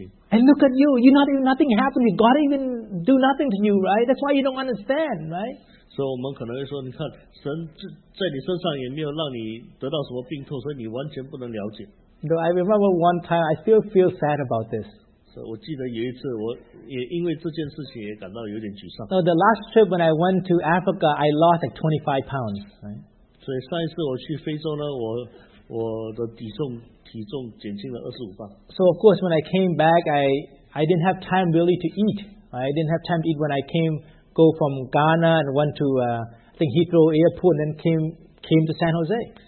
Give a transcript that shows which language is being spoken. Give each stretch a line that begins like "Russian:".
English: And look at you, nothing happened. God didn't even do nothing to you, right? That's why you don't understand, right?
Chinese: So 我们可能会说，你看，神在你身上也没有让你得到什么病痛，所以你完全不能了解。
English: No, I remember one time, I still feel sad about this.
Chinese: So 我记得有一次，我也因为这件事情也感到有点沮丧。
English: So the last trip when I went to Africa, I lost like 25 pounds, right?
Chinese: 所以上一次我去非洲呢，我的体重减轻了25磅。
English: So of course when I came back, I didn't have time really to eat. I didn't have time to eat when I came go from Ghana and went to I think Heathrow Airport and then came to San Jose.